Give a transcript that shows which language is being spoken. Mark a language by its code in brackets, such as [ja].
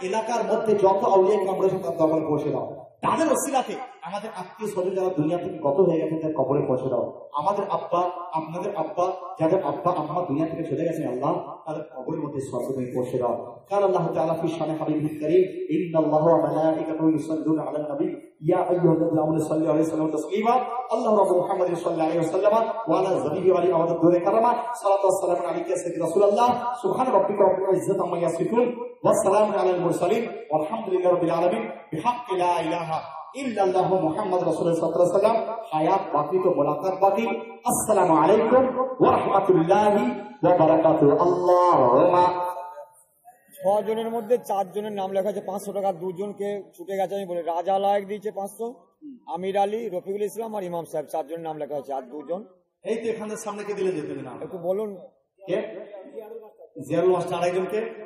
[bn] এলাকার মধ্যে যত আউলিয়া পৌঁছে দাও, তাদের ওসিলাতে আমাদের আত্মীয় স্বজন যারা দুনিয়া থেকে গত হয়ে গেছে তাদের কবরে পৌঁছে দাও। আমাদের আব্বা, আপনাদের আব্বা, যাদের আব্বা আম্মা দুনিয়া থেকে চলে গেছেন, আল্লাহ তাদের কবরের মধ্যে স্বর্গ তুমি পৌঁছে দাও। [ar] قال الله تعالى في شأن حبيبه الكريم إن الله وملائكته يصلون على النبي يا أيها الذين آمنوا صلوا عليه وسلموا تسليما الله رب محمد صلى الله عليه وسلم وعلى زبيه وعلى أهل الدور كرما صلاة والسلام عليك يا سيدي رسول الله سبحان ربك رب العزة عما يصفون والسلام على المرسلين والحمد لله رب العالمين بحق لا إله إلا الله محمد رسول الله صلى الله عليه وسلم [ur] حياة باقي تو ملاقات باقي [ar] السلام عليكم ورحمة الله وبركاته اللهم [bn] ছজনের মধ্যে চারজনের নাম লেখা আছে 500 টাকা, দুজনকে ছুটে গেছে। আমি বলি রাজা লায়ক দিয়েছে 500, আমির আলী, রফিকুল ইসলাম আর ইমাম সাহেব, চারজনের নাম লেখা আছে আর দুজন। এই তো এখানে সামনে কে দিলে যেতে না, একটু বলুন কে? জিয়াল মাস্টার আরেকজনকে।